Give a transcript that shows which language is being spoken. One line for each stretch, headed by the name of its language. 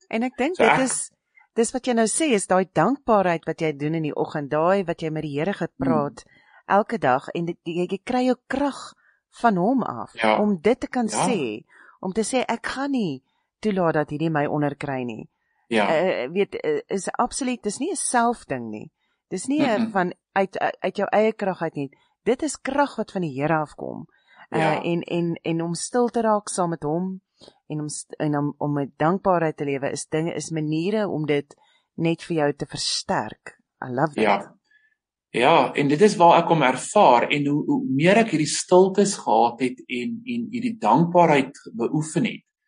Afrikaans: En ek dink dit is dis wat jy nou sê is daai dankbaarheid wat jy doen in die oggend, daai wat jy met die Here gepraat elke dag en jy kry jou krag van hom af om dit te kan sê, om te sê ek gaan nie toelaat dat hierdie my onderkry nie. Is absoluut, dis nie 'n selfding nie. Dis nie van uit jou eie krag uit nie. Dit is krag wat van die Here afkom. En om stil te raak saam met hom en om met dankbaarheid te lewe is dinge is maniere om dit net vir jou te versterk.
English: I love that.
Afrikaans: Ja, en dit is waar ek hom ervaar en hoe meer ek hierdie stiltes gehad het en hierdie dankbaarheid beoefen het.